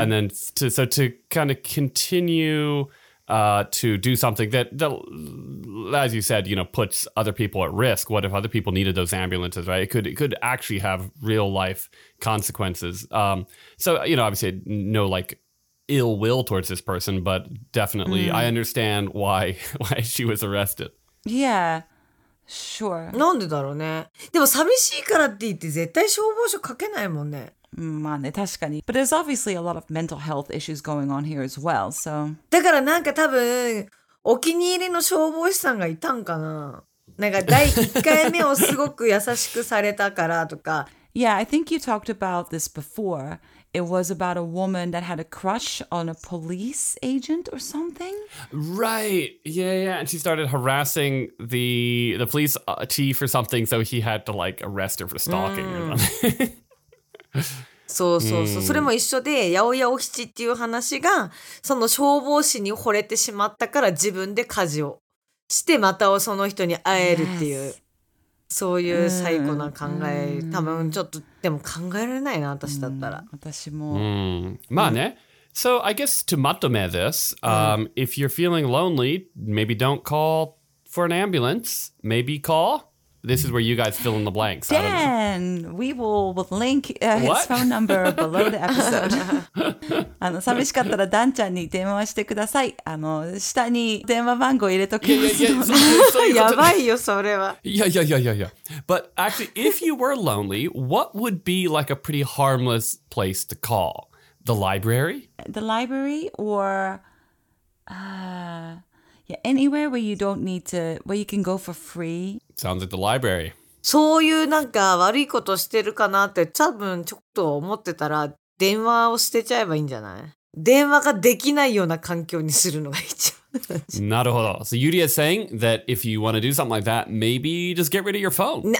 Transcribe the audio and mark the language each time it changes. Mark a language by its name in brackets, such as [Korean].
[English] And then to kind of continue to do something that, as you said, you know, puts other people at risk. What if other people needed those ambulances, right? It could actually have real life consequences. So, you know, obviously no like ill will towards this person, but definitely I understand why she was arrested. Yeah, sure. [Japanese] なんでだろうね。でも寂しいからって言って絶対消防署かけないもんね。まあね、確かに。 [English] But there's obviously a lot of mental health issues going on here as well, so. [Japanese] だからなんか多分お気に入りの消防士さんがいたんかな。なんか第1回目をすごく優しくされたからとか。 [English] Yeah, I think you talked about this before. It was about a woman that had a crush on a police agent or something? Right. Yeah, yeah. And she started harassing the police chief or something, so he had to, like, arrest her for stalking or something. [Japanese] そうそうそう。それも一緒で、八百屋お七っていう話が、その消防士に惚れてしまったから自分で家事をして、またその人に会えるっていう。 [English] Yes. [Japanese] そういう最高な考え、多分ちょっとでも考えられないな私だったら。私も。まあね。 [English] So I guess to [Japanese] まとめ [English] this,if you're feeling lonely, maybe don't call for an ambulance. Maybe call. This is where you guys fill in the blanks. Dan, we will link his phone number below the episode. [Japanese] 寂しかったらダンちゃんに電話してください。下に電話番号入れとけます。やばいよそれは。 [English] Yeah. But actually, if you were lonely, what would be like a pretty harmless place to call? The library? The library or... Yeah, anywhere where you don't need to, where you can go for free. Sounds like the library. [Japanese] そういうなんか悪いことしてるかなって多分ちょっと思ってたら電話を捨てちゃえばいいんじゃない？電話ができないような環境にするのが一番。なるほど。 [English] So Yuri is saying that if you want to do something like that, maybe just get rid of your phone.